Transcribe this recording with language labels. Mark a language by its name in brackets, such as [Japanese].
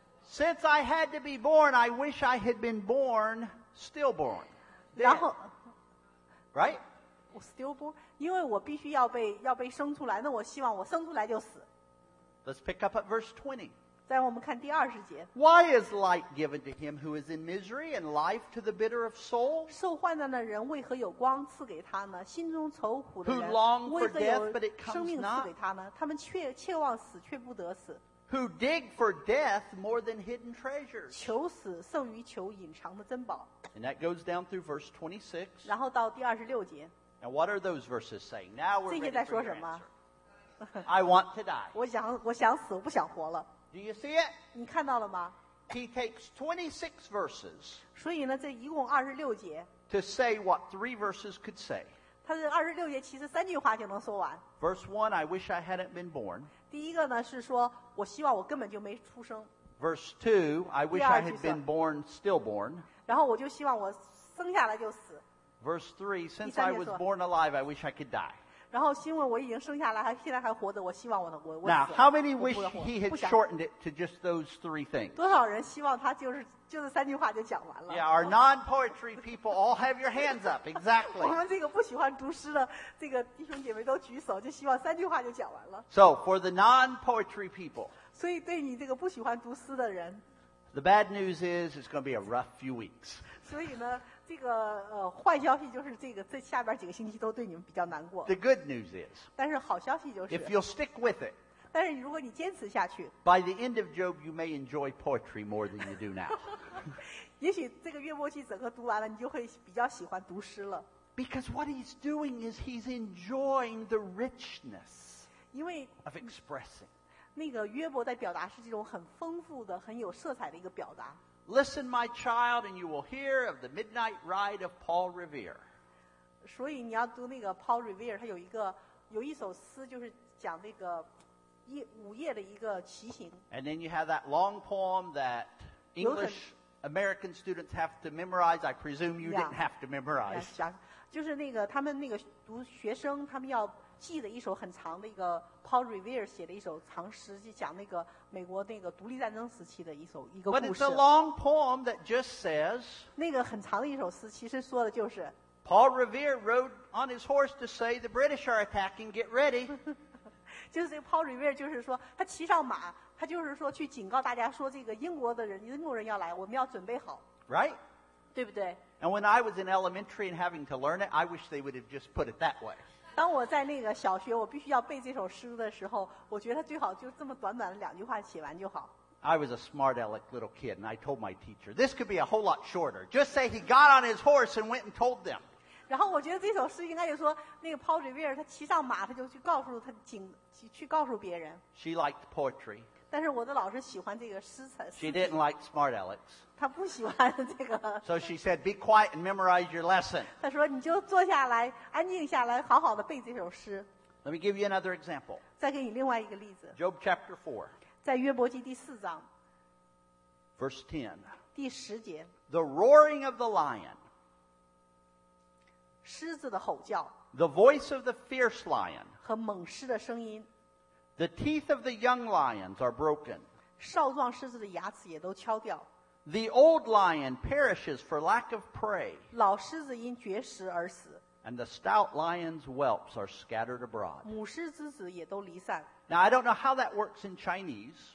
[English] Since I had to be born, I wish I had been born, stillborn. Then, [Chinese] 然后 [English] Right? Stillborn? [Chinese] 因为我必须要被生出来那我希望我生出来就死 [English] Let's pick up at verse 20. [Chinese] 再我们看第二十节 [English] Why is light given to him who is in misery and life to the bitter of soul? [Chinese] 受患难的人为何有光赐给他呢心中愁苦的人 [English] Who long for death but it comes not? [Chinese] 生命赐给他呢他们切望死却不得死 [English] Who dig for death more than hidden treasures? [Chinese] 求死胜于求隐藏的珍宝 [English] And that goes down through verse 26. [Chinese] 然后到第二十六节 [English] Now what are those verses saying? Now we're ready for your answer. [Chinese] 这些在说什么 [English] I want to die. [Chinese] 我想死我不想活了 [English] Do you see it? [Chinese] 你看到了吗? [English] He takes 26 verses. [Chinese] 所以呢，这一共二十六节。 [English] To say what three verses could say. [Chinese] 他的二十六节其实三句话就能说完。 [English] Verse 1, I wish I hadn't been born. [Chinese] 第一个呢是说，我希望我根本就没出生。 [English] Verse 2, I wish I had been born stillborn. [Chinese] 然后我就希望我生下来就死。 [English] Verse 3, since I was born alive, I wish I could die. [Chinese] 然后因为我已经生下来还现在还活着我希望我能活 [English] Now, how many wish he had shortened it to just those three things? [Chinese] 多少人希望他就是三句话就讲完了 [English] Yeah, our non-poetry people all have your hands up, exactly. [Chinese] 我们这个不喜欢读诗的这个弟兄姐妹都举手就希望三句话就讲完了 [English] So, for the non-poetry people, [Chinese] 所以对你这个不喜欢读诗的人 [English] The bad news is it's going to be a rough few weeks. [Chinese] 所以呢这个坏消息就是这下边几个星期都对你们比较难过。 [English] The good news is， [Chinese] 但是好消息就是 [English] ，if you'll stick with it， [Chinese] 但是如果你坚持下去 [English] ，by the end of Job you may enjoy poetry more than you do now。 [Chinese] 也许这个约伯记整个读完了，你就会比较喜欢读诗了。 [English] Because what he's doing is he's enjoying the richness， [Chinese] 因为 [English] of expressing， [Chinese] 那个约伯在表达是这种很丰富的、很有色彩的一个表达。 [English] Listen, my child, and you will hear of the midnight ride of Paul Revere. [Chinese] 所以你要读那个 Paul Revere， 他有一首诗，就是讲那个午夜的一个骑行。 [English] And then you have that long poem that English American students have to memorize. I presume you didn't have to memorize. [Chinese] 就是那个他们那个读学生，他们要记的一首很长的一个 Paul Revere 写的一首长诗，就讲那个美国那个独立战争时期的一个故事。 [English] But it's a long poem that just says [Chinese] 那个很长的一首诗，其实说的就是 [English] Paul Revere rode on his horse to say the British are attacking, get ready. [Chinese] 就是这个 Paul Revere 就是说他骑上马，他就是说去警告大家说这个英国人要来，我们要准备好。 [English] Right. [Chinese] 对不对 [English] ？And when I was in elementary and having to learn it, I wish they would have just put it that way. [Chinese] 当我在那个小学我必须要背这首诗的时候我觉得最好就这么短短的两句话写完就好 [English] I was a smart aleck little kid and I told my teacher this could be a whole lot shorter just say he got on his horse and went and told them [Chinese] 然后我觉得这首诗应该就说那个 Paul Revere 他骑上马他就去告诉他去告诉别人 [English] She liked poetry [Chinese] 但是我的老师喜欢这个诗词 [English] She didn't like smart alecks [Chinese] 他不喜欢这个 [English] So she said be quiet and memorize your lesson [Chinese] 他说你就坐下来安静下来好好的背这首诗 [English] Let me give you another example [Chinese] 再给你另外一个例子 [English] Job chapter 4 [Chinese] 在约伯记第四章 [English] Verse 10 [Chinese] 第十节 [English] The roaring of the lion [Chinese] 狮子的吼叫 [English] The voice of the fierce lion [Chinese] 和猛狮的声音 [English] The teeth of the young lions are broken. [Chinese] 少壮狮子的牙齿也都敲掉。 [English] The old lion perishes for lack of prey. [Chinese] 老狮子因绝食而死。 [English] And the stout lion's whelps are scattered abroad. [Chinese] 母狮子子也都离散。 [English] Now, I don't know how that works in Chinese.